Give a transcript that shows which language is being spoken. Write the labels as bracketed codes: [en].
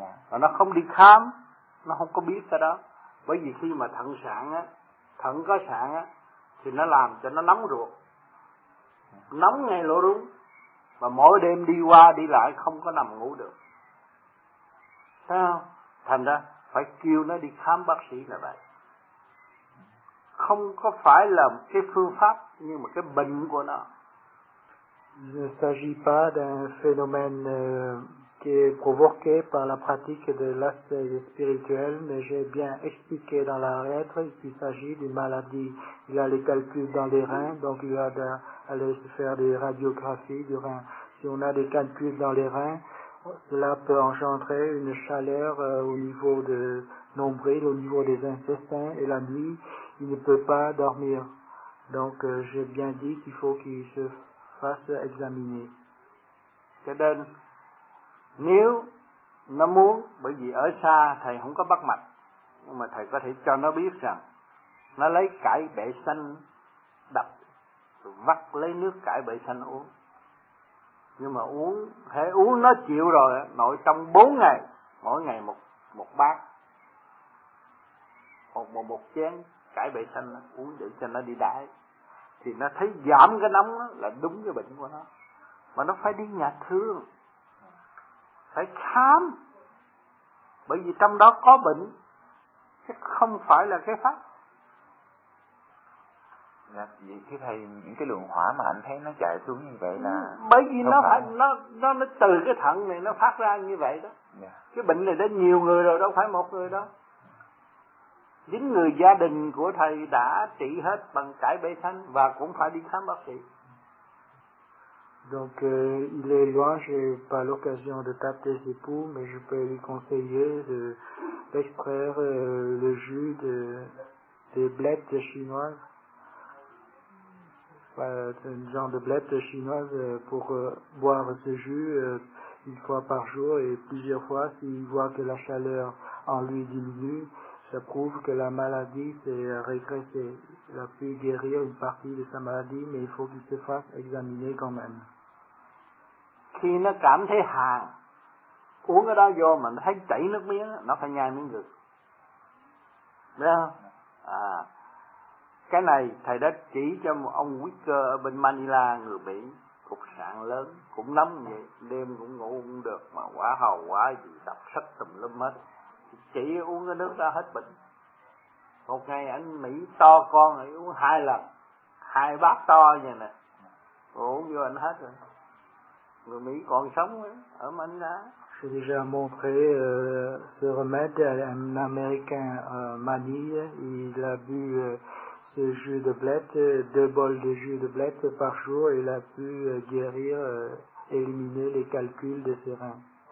[vi] Và nó không đi khám, nó không có biết cái đó. Bởi vì khi mà thận sạn á, thận có sạn á, thì nó làm cho nó nóng ruột, nóng ngay lỗ rúng, và mỗi đêm đi qua đi lại không có nằm ngủ được. Thấy không? Thành ra phải kêu nó đi khám bác sĩ là vậy. Không có phải là cái phương pháp, nhưng mà cái bệnh của nó. [fr] il ne s'agit pas d'un phénomène qui est provoqué par la pratique de l'ascèse spirituelle, mais j'ai bien expliqué dans la lettre qu'il s'agit d'une maladie. Il a les calculs dans les reins, donc il va aller se faire des radiographies du rein. Si on a des calculs dans les reins, cela peut engendrer une chaleur au niveau de nombril, au niveau des intestins, et la nuit, il ne peut pas dormir. Donc, j'ai bien dit qu'il faut qu'il se fasse examiner. [vi] Cho nên, nếu nó muốn, bởi vì ở xa thầy không có bắt mạch, nhưng mà thầy có thể cho nó biết rằng, nó lấy cải bệ xanh đập, vắt lấy nước cải bệ xanh uống. Nhưng mà uống, thế uống nó chịu rồi, nội trong 4 ngày, mỗi ngày một bát, một chén cải bệ xanh uống để cho nó đi đái, thì nó thấy giảm cái nóng đó, là đúng với bệnh của nó. Mà nó phải đi nhà thương, phải khám, bởi vì trong đó có bệnh, chứ không phải là cái pháp. Là vậy thì thầy, những cái luồng hỏa mà anh thấy nó chạy xuống như vậy là bởi vì nó phải nó từ cái thận này nó phát ra như vậy đó. Yeah. Cái bệnh này đã nhiều người rồi, đâu phải một người đâu. Chính người gia đình của thầy đã trị hết bằng cải bệ xanh và cũng phải đi khám bác sĩ. [fr] Donc il est loin, j'ai pas l'occasion de taper ses poux, mais je peux lui conseiller de extraire le jus des blettes chinoises. C'est un genre de blette chinoise pour boire ce jus une fois par jour et plusieurs fois. S'il voit que la chaleur en lui diminue, ça prouve que la maladie s'est régressée. Il a pu guérir une partie de sa maladie, mais il faut qu'il se fasse examiner quand même. [vi] Khi nó cảm thấy hàn, uống cái đó vô mà nó thấy chảy nước miếng, nó phải nhai miếng gừng. Đấy không? À. Cái này thầy đã chỉ cho một ông quý cơ ở bên Manila, người Mỹ, cục sạn lớn, cũng nóng như vậy, đêm cũng ngủ không được, mà quả hầu quả gì đập sách tùm lum hết, chỉ uống cái nước đó hết bệnh. Một ngày anh Mỹ to con lại uống hai lần, hai bát to vậy nè, uống vô anh hết rồi. Người Mỹ còn sống ấy, ở Manila. [fr] J'ai déjà montré ce remède à un Américain Manille, il a bu ce jus de blette, deux bols de jus de blette par jour, il a pu guérir, éliminer les calculs de ses reins.